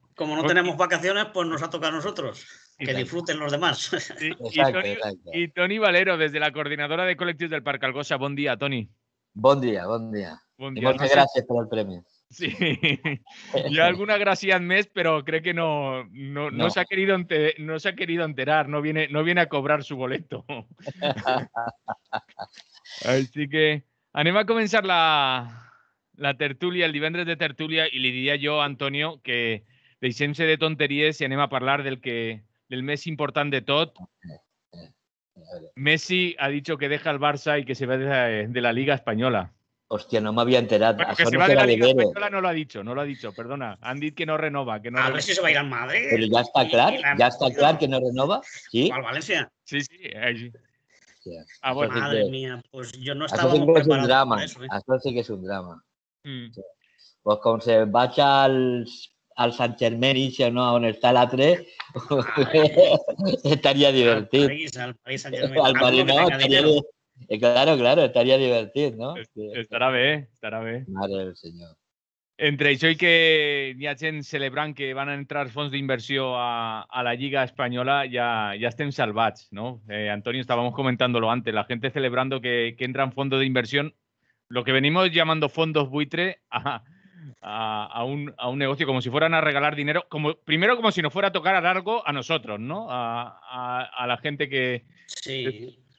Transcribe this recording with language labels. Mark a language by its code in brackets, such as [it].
[es] Como no tenemos vacaciones, pues nos ha tocado a nosotros. Que disfruten los demás. Y Toni Valero, desde la coordinadora de Colectius del Parc Algosa. [ca] Bon dia, Toni. Bon dia, bon dia. Bon dia. Moltes gràcies per el premi. Sí. Hi ha alguna gràcia més, però crec que no s'ha querido, [es] no s'ha querido enterar. No viene a cobrar su boleto. Así que [ca] anem a començar la tertúlia, el divendres de tertúlia, i li diria jo, Antonio, que deixem-se de tonteries i anem a parlar del més important de tot. [es] Messi ha dicho que deja el Barça y que se va de la Liga Española. Hostia, no me había enterado. Bueno, que se va de la Liga Española no lo ha dicho, perdona. Han dicho que no renova. Que no a ver si se va a ir al Madrid. Pero ya está claro, ya está claro que no renova. ¿Sí? ¿Al Valencia? Sí, sí. Ahí. Ah, bueno. Madre mía, pues yo no estaba preparado. Esto sí que es un drama. Esto sí que es un drama. Pues como se va al [ca] Sant Germain, ixe, no, on està l'altre, estaria divertit. Al París, Sant Germain. Al París, no, claro, estaria divertit, no? Estarà bé. Mare del Senyor. Entre això i que hi ha gent celebrant que van a entrar fons d'inversió a la Lliga Espanyola, ja estem salvats, no? [es] Antonio, estábamos comentándolo antes, la gente celebrando que entran fondos [ca] d'inversió, [es] lo que venimos llamando fondos buitre, a un negocio como si fueran a regalar dinero, como si nos fuera a tocar a largo a nosotros, ¿no? A la gente que... Sí.